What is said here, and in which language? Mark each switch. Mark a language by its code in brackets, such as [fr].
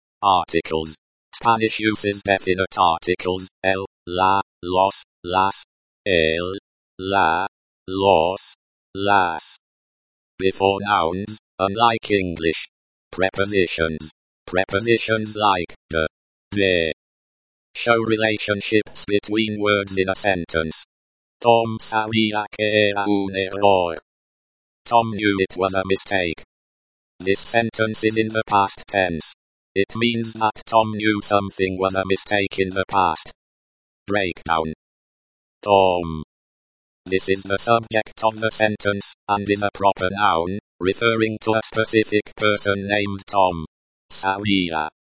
[en] Articles. Spanish uses definite articles, el, la, los, las, el, la, los, las. Before nouns, unlike English. Prepositions. Prepositions like, the. Show relationships between words in a sentence. [es] Tom sabía que era un error. [en] Tom knew it was a mistake. This sentence is in the past tense. It means that Tom knew something was a mistake in the past. Breakdown. Tom. This is the subject of the sentence, and is a proper noun, referring to a specific person named Tom. Sabía.